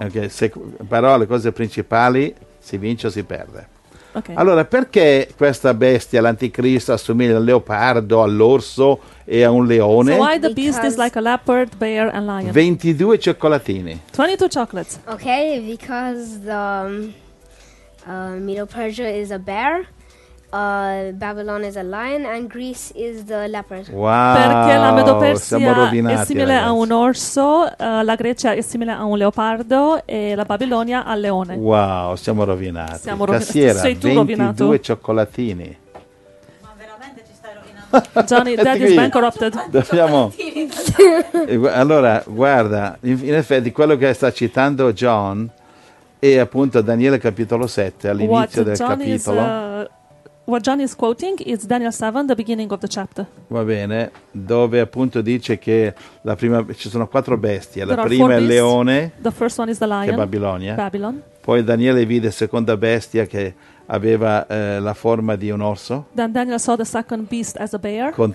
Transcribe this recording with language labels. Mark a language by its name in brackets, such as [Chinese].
[Italian] Ok, però le cose principali, si vince o si perde. Ok. Allora, perché questa bestia, l'anticristo, assomiglia al leopardo, all'orso e a un leone? [English] So why the beast is like a leopard, bear and lion? [Italian] 22 cioccolatini. [English] 22 chocolates. Ok, because the Middle Persia is a bear. Babylon is a lion and Greece is the leopard. Wow, [Italian] perché la Medopersia è simile a un orso, la Grecia è simile a un leopardo e la Babilonia al leone. Wow, siamo rovinati. Siamo Cassiera, sei tu 22 rovinato. Cioccolatini. Ma veramente ci stai rovinando. [English] Johnny, Dad is bankrupted. [Italian] Dobbiamo. Allora, guarda, in effetti quello che sta citando John è appunto Daniele capitolo 7 all'inizio [English] What? [Italian] Del John capitolo. [English] What John is quoting is Daniel 7, the beginning of the chapter. [Italian] Va bene, dove appunto dice che la prima ci sono quattro bestie. La prima è il leone. [English] The first one is the lion. [Italian] Che è Babilonia. [English] Babylon. [Italian] Poi Daniele vide la seconda bestia che aveva la forma di un orso. [English] Then Daniel saw the second beast as a bear.